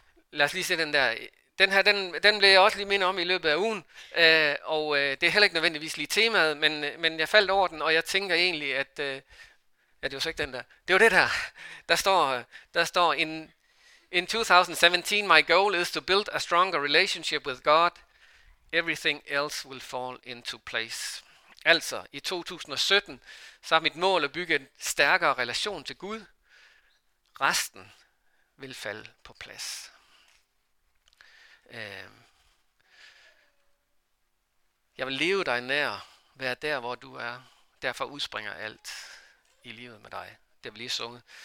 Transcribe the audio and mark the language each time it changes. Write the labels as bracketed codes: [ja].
[da] Lad os lige se den der... Den her, den blev jeg også lige mindet om i løbet af ugen, og det er heller ikke nødvendigvis lige temaet, men jeg faldt over den, og jeg tænker egentlig, at ja, det var så ikke den der. Det var det der. Der står, [en] in 2017, my goal is to build a stronger relationship with God. Everything else will fall into place. [da] Altså, i 2017, så er mit mål at bygge en stærkere relation til Gud. Resten vil falde på plads. Jeg vil leve dig nær, være der, hvor du er. Derfor udspringer alt i livet med dig. Det vil lige sunget.